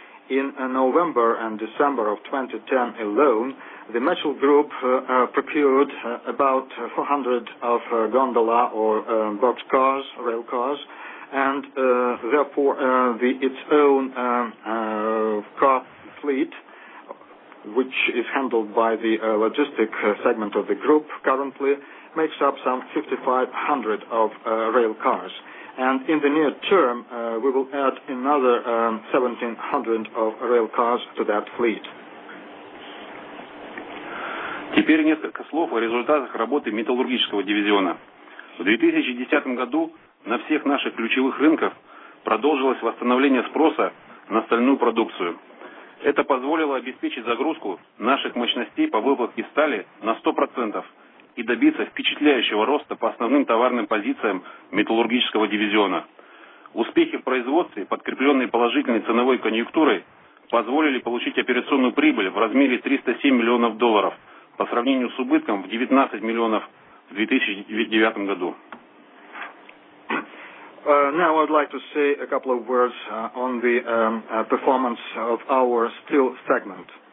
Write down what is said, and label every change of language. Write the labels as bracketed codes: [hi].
[en] In November and December of 2010 alone, the Mitchell Group procured about 400 of gondola or box cars, rail cars, and therefore the, its own car fleet, which is handled by the logistic segment of the group currently, makes up some 5,500 of rail cars. And in the near term, we will add another 1,700 of rail cars to that fleet. [ru] Теперь несколько слов о результатах работы металлургического дивизиона. В 2010 году на всех наших ключевых рынках продолжилось восстановление спроса на стальную продукцию. Это позволило обеспечить загрузку наших мощностей по выплавке стали на 100% и добиться впечатляющего роста по основным товарным позициям металлургического дивизиона. Успехи в производстве, подкрепленные положительной ценовой конъюнктурой, позволили получить операционную прибыль в размере $307 миллионов по сравнению с убытком в $19 миллионов в 2009 году. [en] Now I'd like to say a couple of words on the performance of our steel segment.